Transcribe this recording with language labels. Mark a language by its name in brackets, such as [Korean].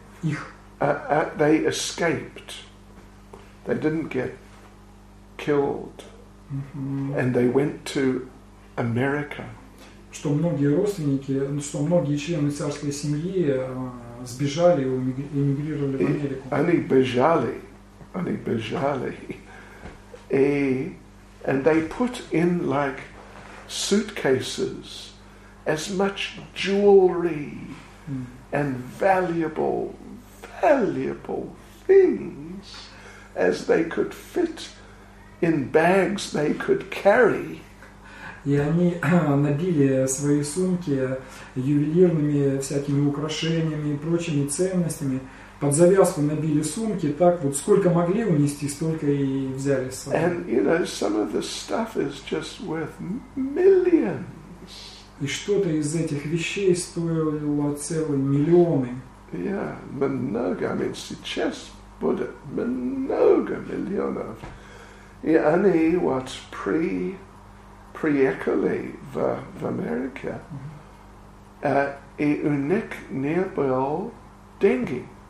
[English] They escaped. They didn't get killed. Mm-hmm. And they went to America. [Russian] Что многие родственники, что многие члены царской семьи сбежали, эмигрировали в Америку. Они бежали. [English] And they put in, like, suitcases, as much jewelry and valuable things as they could fit in bags they could carry. [Russian] И они набили свои сумки ювелирными всякими украшениями и прочими ценностями. Под завязку набили сумки, так вот сколько могли унести, столько и взяли с собой. [English] And you know, some of the stuff is just worth millions. [Russian] И что-то из этих вещей стоило целые миллионы. Yeah, много. [English] I mean, [Russian] сейчас будет много миллионов. И они вот приехали в Америку, и у них не было деньги.